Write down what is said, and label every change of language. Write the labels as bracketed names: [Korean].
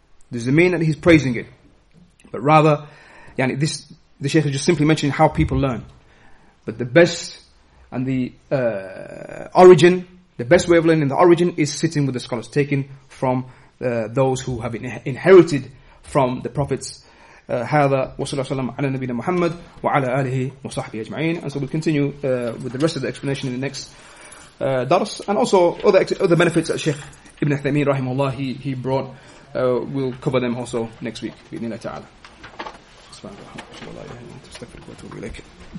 [English] Does it mean that he's praising it? But rather, yani, this, the Shaykh is just simply mentioning how people learn. But the best and the origin, the best way of learning, the origin is sitting with the scholars, taken from those who have inherited from the prophets. [Arabic] هذا وصلى الله وسلم على نبينا محمد وعلى آله وصحبه أجمعين. [English] And so we'll continue with the rest of the explanation in the next Dars, and also other benefits that Sheikh Ibn Uthaymeen rahimahullah he brought, we'll cover them also next week.